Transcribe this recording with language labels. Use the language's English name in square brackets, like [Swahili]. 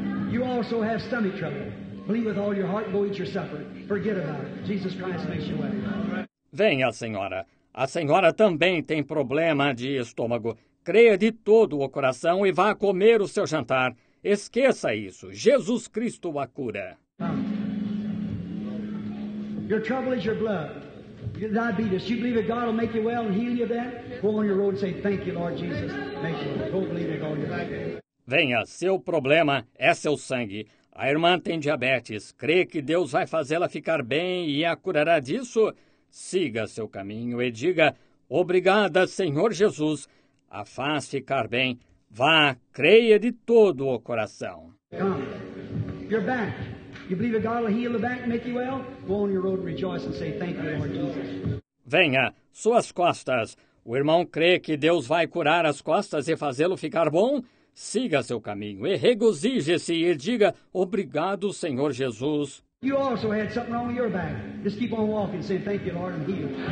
[English] You also have stomach trouble. Believe with all your heart, go eat your supper. Forget about it. Jesus Christ makes you well. [Portuguese] Venha, senhora. A senhora também tem problema de estômago. Creia de todo o coração e vá comer o seu jantar. Esqueça isso. Jesus Cristo a cura. [English] Your trouble is your blood. Your diabetes. You believe that God will make you well and heal you of that? Go on your road and say, thank you, Lord Jesus. Make you well. Don't believe it all your life. [Portuguese] Venha, seu problema é seu sangue. A irmã tem diabetes. Crê que Deus vai fazê-la ficar bem e a curará disso? Siga seu caminho e diga, obrigada, Senhor Jesus. A faz ficar bem. Vá, creia de todo o coração. [English] Come. You're back. You believe that God will heal the back and make you well? Go on your road and rejoice and say, thank you, Lord Jesus. [Portuguese] Venha, suas costas. O irmão crê que Deus vai curar as costas e fazê-lo ficar bom? siga seu caminho e regozije-se e diga: obrigado, Senhor Jesus. [English] You also had something wrong with your back. Just keep on walking, say thank you, Lord, and heal.